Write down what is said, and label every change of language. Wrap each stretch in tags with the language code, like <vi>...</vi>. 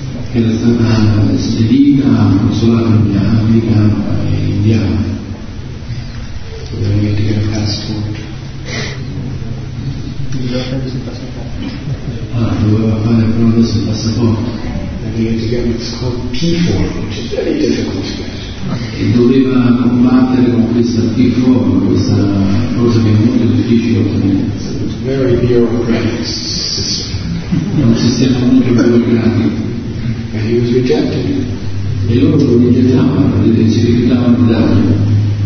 <it>Era stata spedita al consolato americano e indiano.</it> <en>Then we need to get a passport. And we had to get what's called T-form, which is very difficult to get.</en> <it>E doveva combattere con questa T-form, questa cosa che è molto difficile ottenere.</it> <en>It's a very bureaucratic system.</en> <it>È un sistema molto burocratico.</it> <en>And he was rejected.</en> <it>E loro lo rigettavano, si rifiutavano di darlo.</it>